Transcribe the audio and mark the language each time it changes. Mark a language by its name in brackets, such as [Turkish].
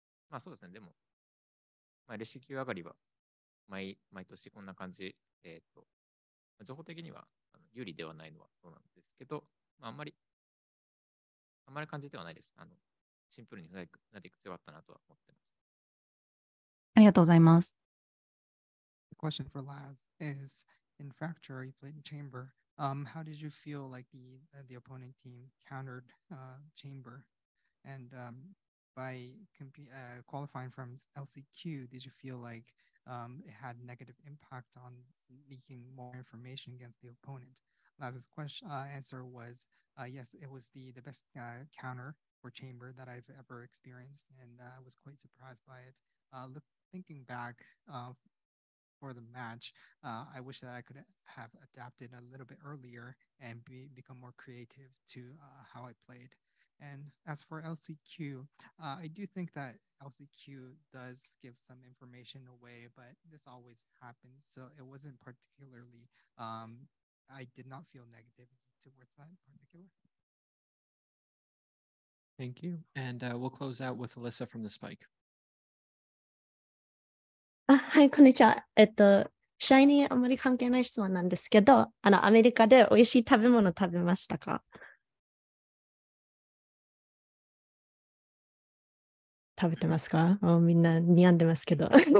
[Japanese] まあそうですね、でも、まあ、LCQ 上がりは毎年こんな感じ、情報的には有利ではないのはそうなんですけど、まあ、あんまり感じてはないです。シンプルにFnaticが強かったなとは思ってます。ありがとうございます。ありがとうございます。 [English] The question for Laz is, in Fracture, you played in Chamber. How did you feel like the opponent team countered Chamber? And by qualifying from LCQ, did you feel like it had negative impact on leaking more information against the opponent? Laz's answer was, yes, it was the best counter for Chamber that I've ever experienced, and I was quite surprised by it. Thinking back for the match, I wish that I could have adapted a little bit earlier and become more creative to how I played. And as for LCQ, I do think that LCQ does give some information away, but this always happens, so it wasn't particularly, I did not feel negative towards that in particular. Thank you. And we'll close out with Alyssa from the Spike. [Japanese] あ、はい、こんにちは。試合にあまり関係ない質問なんですけど、アメリカで美味しい食べ物食べましたか？食べてますか？あ、みんな睨んでますけど。